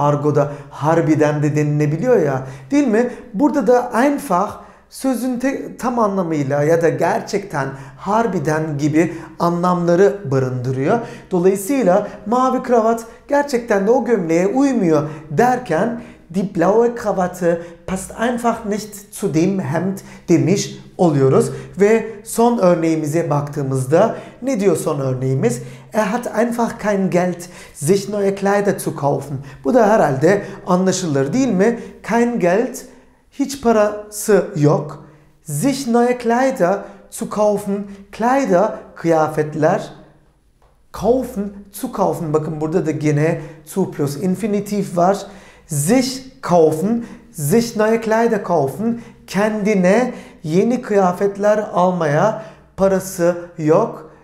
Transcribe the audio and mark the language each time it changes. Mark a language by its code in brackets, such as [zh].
[tr] Argo'da harbiden de denilebiliyor ya değil mi? Burada da einfach sözün tam anlamıyla ya da gerçekten harbiden gibi anlamları barındırıyor. Dolayısıyla mavi kravat gerçekten de o gömleğe uymuyor derken [de] die blaue Krawatte passt einfach nicht zu dem Hemd [tr] demiş oluyoruz. Ve son örneğimize baktığımızda ne diyor son örneğimiz? [de] Er hat einfach kein Geld, sich neue Kleider zu kaufen. [tr] Bu da herhalde anlaşılır değil mi? [de] Kein Geld, [tr] hiç parası yok. [de] Sich neue Kleider zu kaufen. [tr] Kleider, kıyafetler. Kaufen, zu kaufen. Bakın burada da gene zu plus infinitiv var. [de] Sich kaufen. Sich neue Kleider kaufen. [tr] Kendine yeni kıyafetler almaya parası yok.